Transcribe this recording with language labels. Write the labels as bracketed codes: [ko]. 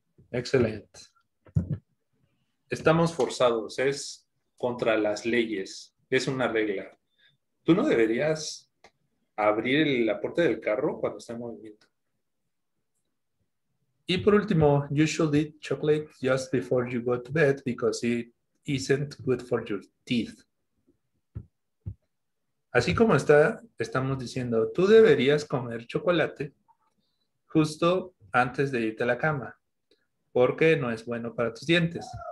[es] Excelente. Estamos forzados. Es contra las leyes. Es una regla. Tú no deberías abrir la puerta del carro cuando está en movimiento. Y por último, [en] you should eat chocolate just before you go to bed because it isn't good for your teeth. [es] Así como está, estamos diciendo, tú deberías comer chocolate justo antes de irte a la cama, porque no es bueno para tus dientes.